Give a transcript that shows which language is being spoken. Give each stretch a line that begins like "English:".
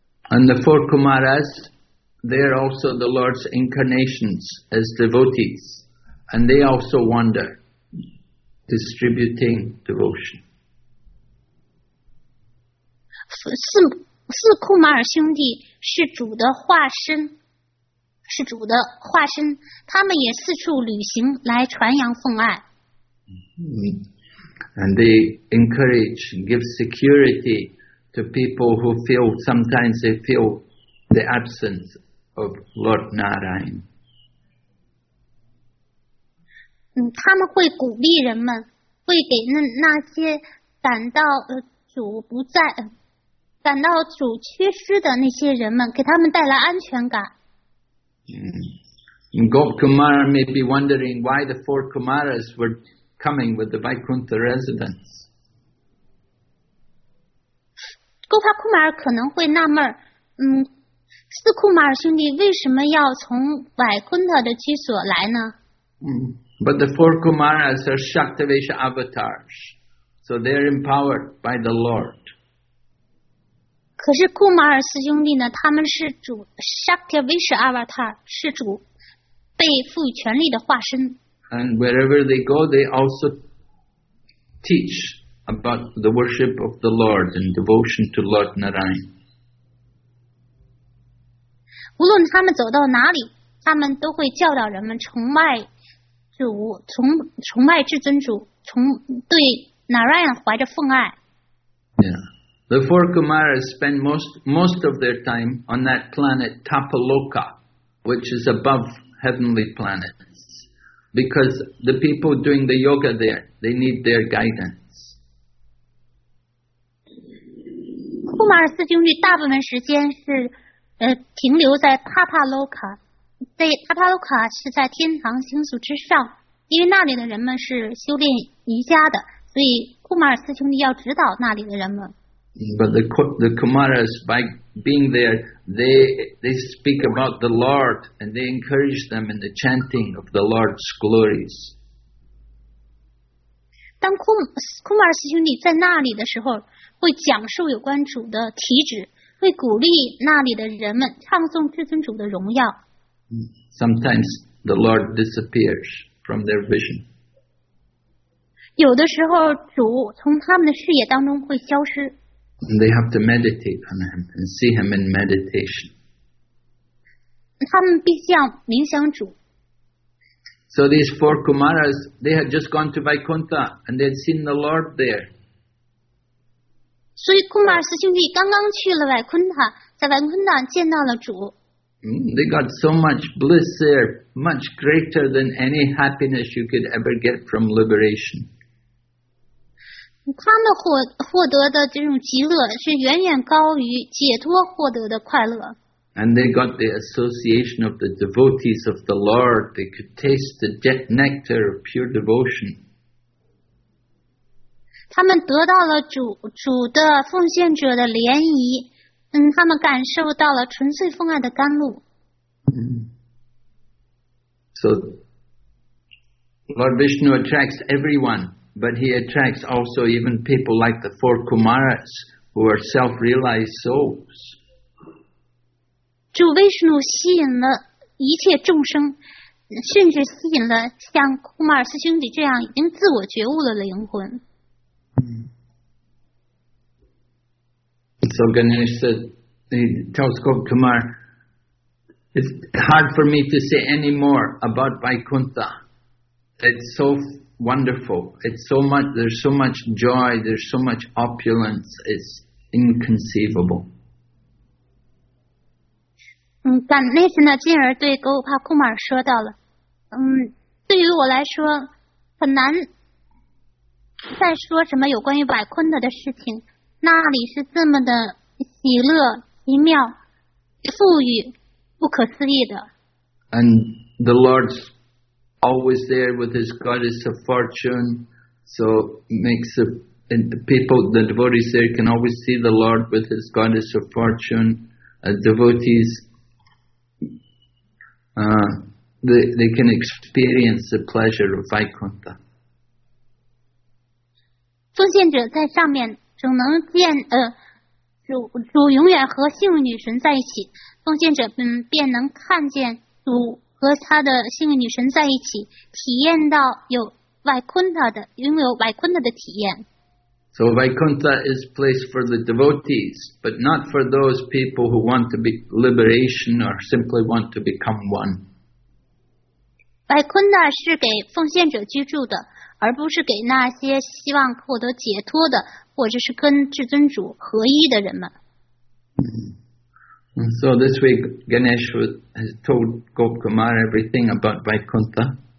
English: And the four Kumaras, they are also the Lord's incarnations as devotees, and they also wander, distributing devotion.
Chinese: 四库马尔兄弟是主的化身，是主的化身，他们也四处旅行来传扬奉爱。
English: And they encourage and give security to people who feel, sometimes they feel the absence of Lord Narayan.
Chinese: 他们会鼓励人们，会给那些感到主不在。感到主缺失的那些人们，给他们带来安全感。
English: Gop Kumara may be wondering why the four Kumaras were coming with the Vaikuntha residents.
Chinese: Gopa Kumara 可能会纳闷，四库马尔兄弟为什么要从百昆特的居所来呢？
English: But the four Kumaras are Shaktivesha avatars, so they're empowered by the Lord.
Chinese: 可是库马尔斯兄弟呢，他们是主 Shakti Vishu Avatar， 是主被赋予权力的化身。
English: And wherever they go, they also teach about the worship of the Lord and devotion to Lord Narayan.
Chinese: 无论他们走到哪里，他们都会教导人们崇拜主，崇拜至尊主，对 Narayan 怀着奉爱。
English: The four Kumaras spend most of their time on that planet Tapaloka, which is above heavenly planets, because the people doing the yoga there, they need their guidance.
Chinese: Kumar 四兄弟大部分时间是停留在 Tapaloka， 在 Tapaloka 是在天堂星宿之上，因为那里的人们是修炼瑜伽的，所以Kumar 四兄弟要指导那里的人们。
English: But the Kumaras, by being there, they speak about the Lord and they encourage them in the chanting of the Lord's glories.
Chinese: 当库马尔斯兄弟在那里的时候，会讲述有关主的体旨，会鼓励那里的人们唱诵至尊主的荣耀。
English: Sometimes the Lord disappears from their vision.
Chinese: 有的时候，主从他们的视野当中会消失。
English: And they have to meditate on him and see him in meditation.
Chinese: 他们必须要冥想主。
English: So these four Kumaras, they had just gone to Vaikuntha and they had seen the Lord there.
Chinese: 所以库马尔斯兄弟刚刚去了外昆塔，在外昆塔见到了主。
English: They got so much bliss there, much greater than any happiness you could ever get from liberation.
Chinese: 他们获得的这种极乐是远远高于解脱获得的快乐。
English: And they got the association of the devotees of the Lord. They could taste the nectar of pure devotion.
Chinese: 他们得到了 主的奉献者的怜悯。他们感受到了纯粹奉爱的甘露。
English: So, Lord Vishnu attracts everyone, but he attracts also even people like the four Kumaras, who are self-realized souls.
Chinese: 主 Vishnu 吸引了一切众生，甚至吸引了像库马尔斯兄弟这样已经自我觉悟了的灵魂。
English: So Ganesh said, he tells Gopkumar, it's hard for me to say any more about Vaikuntha. It's so wonderful. It's so much, there's so much joy, there's so much opulence. It's inconceivable.
Chinese: Ganesh 呢，进而对 Gopkumar 说到了，对于我来说，很难再说什么有关于 Vaikuntha 的事情。那里是这么的喜乐、奇妙、富裕、不可思议的。
English: And the Lord's always there with His goddess of fortune, so makes the people, the devotees there can always see the Lord with His goddess of fortune. Devotees, they can experience the pleasure of Vaikuntha.
Chinese: 奉献者在上面。总能见主永远和幸运女神在一起，奉献者便能看见主和他的幸运女神在一起，体验到有 Vaikuntha 的拥有 Vaikuntha 的体验。
English: So Vaikuntha is place for the devotees, but not for those people who want to be liberation or simply want to become one.
Chinese: Vaikuntha 是给奉献者居住的，而不是给那些希望获得解脱的。或者是跟至尊主合一的人们。
English: So this week Ganesh has told Gopkumar everything about Vaikuntha.